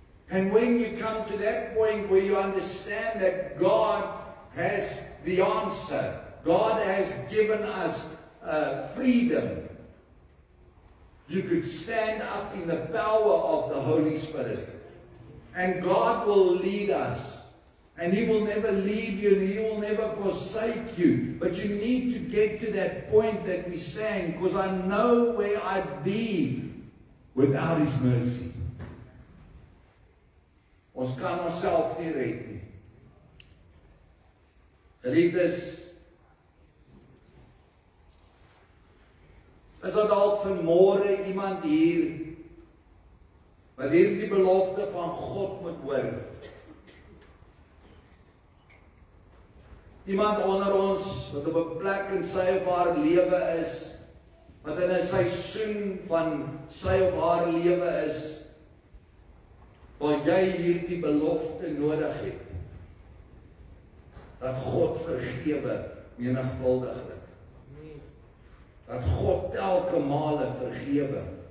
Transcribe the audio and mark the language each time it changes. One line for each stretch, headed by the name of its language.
English: And when you come to that point where you understand that God has the answer, God has given us freedom, you could stand up in the power of the Holy Spirit. And God will lead us. And He will never leave you, and He will never forsake you. But you need to get to that point that we sang, because I know where I'd be without His mercy.
Afrikaans: Ons kan onsself nie red nie. Geliefdes, is daar dalk vanmôre iemand hier wat hierdie belofte van God moet hoor? Iemand onder ons wat op 'n plek in sy of haar lewe is, wat in 'n seisoen van sy of haar lewe is, waar jy hierdie belofte nodig het, dat God vergewe menigvuldiglik, dat God elke male vergewe.